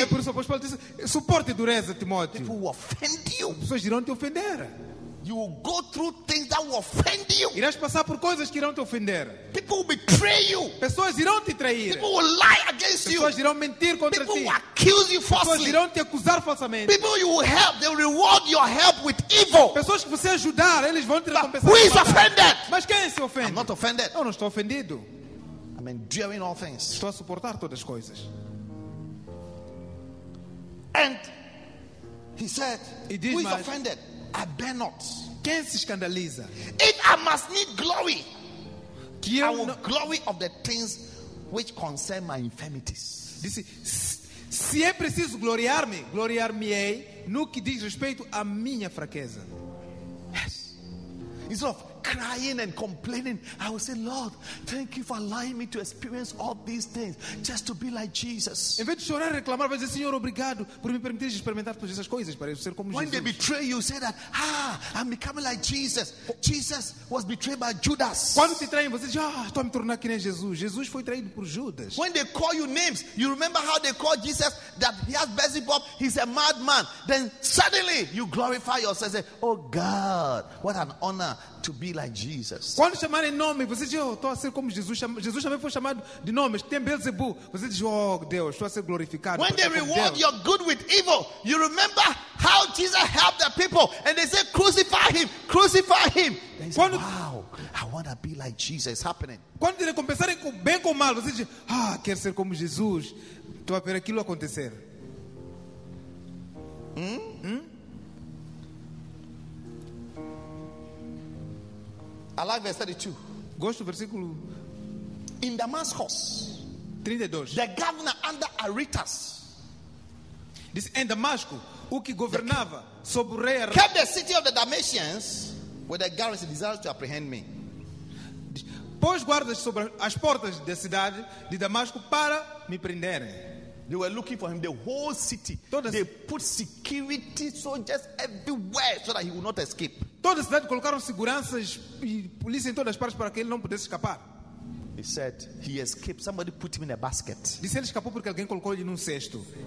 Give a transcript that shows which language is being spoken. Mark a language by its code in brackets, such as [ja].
[pt] É por isso que o apóstolo disse, suporte dureza, Timóteo. [en] People will offend you. [pt] Pessoas irão te ofender. [en] You will go through things that will offend you. [pt] Irás passar por coisas que irão te ofender. [en] People will betray you. [pt] Pessoas irão te trair. [en] People will lie against [pt] pessoas [en] you. [pt] Pessoas irão mentir contra [en] people [pt] ti. [en] People will accuse you falsely. [pt] Pessoas irão te acusar falsamente. [en] People you will help, they will reward your help with evil. [pt] Pessoas que você ajudar, eles vão te recompensar. [en] But who is offended? [pt] Mas quem se ofende? [en] I'm not offended. [pt] Eu não estou ofendido. [en] I'm enduring all things. [pt] Estou a suportar todas as coisas. [en] And he said, [pt] e diz, [en] who is offended? I bear not. [pt] Quem se escandaliza? [en] If I must need glory, [pt] que eu [en] I will glory of the things which concern my infirmities. [pt] Disse, se é preciso gloriar-me, gloriar-me-ei no que diz respeito à minha fraqueza. [en] Yes. Instead of crying and complaining, I will say, Lord, thank you for allowing me to experience all these things just to be like Jesus. [pt] Em vez de chorar e reclamar, vai dizer, Senhor, obrigado por me permitir experimentar todas essas coisas para eu ser como Jesus. [en] When they betray you, say that, I'm becoming like Jesus. Jesus was betrayed by Judas. [pt] Quando te traem, você diz, estou a me tornar que nem Jesus. Jesus foi traído por Judas. [en] When they call you names, you remember how they call Jesus that he has Beelzebub, he's a madman. Then suddenly you glorify yourself and say, oh God, what an honor to be like Jesus. [pt] Quando chamarem nome, você diz, estou a ser como Jesus. Jesus também foi chamado de nomes. Tem Beelzebu. Você diz, Deus, estou a ser glorificado. [en] When they reward [pt] Deus. [en] Your good with evil, you remember how Jesus helped the people and they said, crucify him, crucify him. Then [pt] quando, [en] say, wow, I want to be like Jesus. It's happening. [pt] Quando recompensarem com bem com mal, você diz, quero ser como Jesus. Estou a ver aquilo acontecer. [en] I like verse 32. [pt] Gosto versículo. [en] In Damascus. 32. The governor under Aretas. This [pt] in Damasco, o que governava sobre o rei. [en] Kept the city of the Damascians with a garrison desired to apprehend me. [pt] Pôs guardas sobre as portas da cidade de Damasco para me prenderem. [en] They were looking for him, the whole city. [pt] Todas, [en] they put security soldiers everywhere so that he would not escape. [pt] Toda a cidade colocaram seguranças e polícia em todas as partes para que ele não pudesse escapar. [en] He said he escaped. Somebody put him in a basket. [pt] Disse ele escapou porque alguém colocou ele num cesto.